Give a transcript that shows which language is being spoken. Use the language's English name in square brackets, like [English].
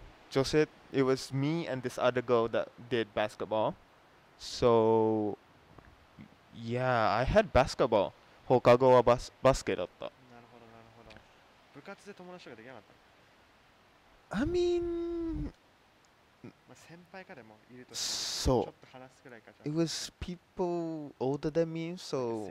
[English] Joseph, it was me and this other girl that did basketball. So, yeah, I had basketball. [Japanese] 放課後はバスケだった。なるほど、なるほど。部活で友達ができなかった。 [English] I mean... [Japanese] 先輩かでもいるとそうちょっと話すくらいかじゃ [English] ん。It was people older than me, so